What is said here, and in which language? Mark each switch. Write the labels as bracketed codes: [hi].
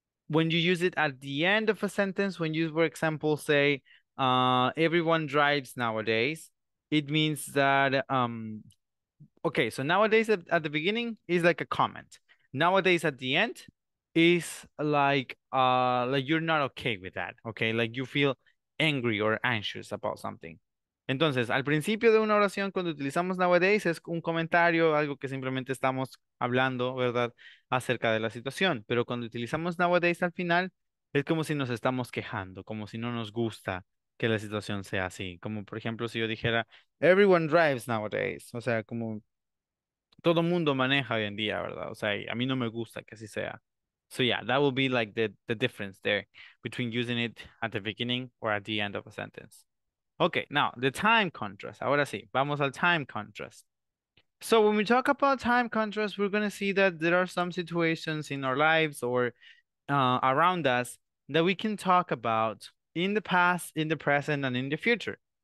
[en] When you use it at the end of a sentence, when you, for example, say, everyone drives nowadays, it means that, okay, so nowadays at the beginning is like a comment. Nowadays at the end is like you're not okay with that, okay? Like you feel angry or anxious about something. [es] Entonces, al principio de una oración, cuando utilizamos nowadays, es un comentario, algo que simplemente estamos hablando, ¿verdad?, acerca de la situación. Pero cuando utilizamos nowadays al final, es como si nos estamos quejando, como si no nos gusta que la situación sea así. Como, por ejemplo, si yo dijera, [en] everyone drives nowadays. [es] O sea, como todo mundo maneja hoy en día, ¿verdad? O sea, a mí no me gusta que así sea. [en] So yeah, that would be like the difference there between using it at the beginning or at the end of a sentence. Okay, now the time contrast. [es] Ahora sí, vamos al time contrast. [en] So when we talk about time contrast, we're going to see that there are some situations in our lives or around us that we can talk about in the past, in the present, and in the future.